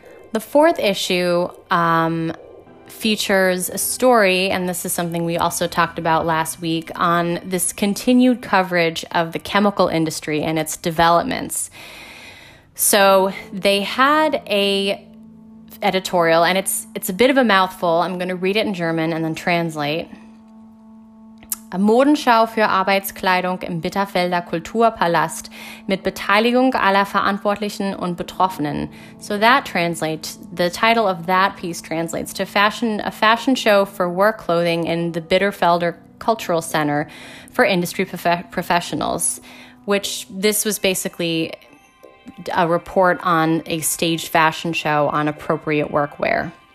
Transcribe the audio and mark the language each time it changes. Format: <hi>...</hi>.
<en>The fourth issue features a story, and this is something we also talked about last week, on this continued coverage of the chemical industry and its developments. So they had a editorial, and it's a bit of a mouthful. I'm going to read it in German and then translate.</en> <de>A Modenschau für Arbeitskleidung im Bitterfelder Kulturpalast mit Beteiligung aller Verantwortlichen und Betroffenen.</de> <en>So that translates, the title of that piece translates to a fashion show for work clothing in the Bitterfelder Cultural Center for industry professionals, which this was basically a report on a staged fashion show on appropriate workwear.</en>